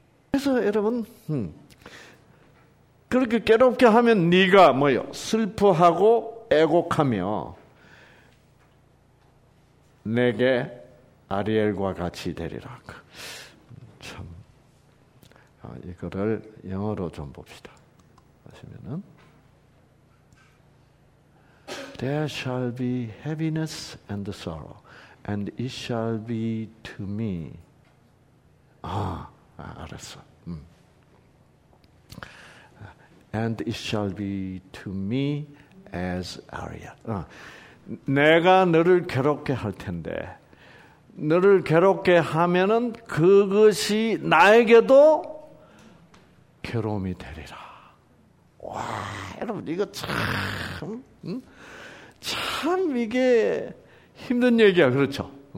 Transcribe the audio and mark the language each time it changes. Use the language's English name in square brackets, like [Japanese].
[Korean] 그래서 여러분 그렇게 괴롭게 하면 네가 뭐요? 슬퍼하고 애곡하며 내게 아리엘과 같이 되리라. 참 이거를 영어로 좀 봅시다. 보시면은 [English] There shall be heaviness and sorrow, and it shall be to me. [Korean] 알았어. [English] And it shall be to me as Ariel. [Korean] 내가 너를 괴롭게 할 텐데, 너를 괴롭게 하면은 그것이 나에게도 괴로움이 되리라. 와, 여러분, 이거 참, 참 이게 힘든 얘기야. 그렇죠?